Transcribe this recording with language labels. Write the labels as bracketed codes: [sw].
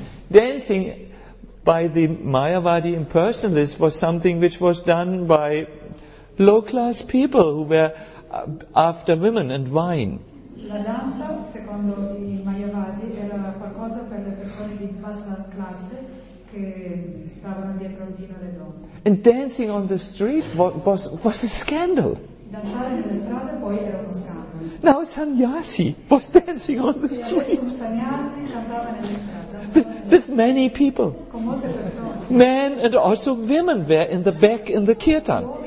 [en] Dancing by the Mayavadi impersonalist was something which was done by low-class people who were after women and wine. [it] La danza, secondo i Mayavadi, era qualcosa per le persone di bassa classe che stavano dietro al vino le donne. [en] And dancing on the street was a scandal. [it] Danzare nelle strade poi era uno scandalo. [en] Now sannyasi was dancing on the street with many people. Men and also women were in the back in the kirtan.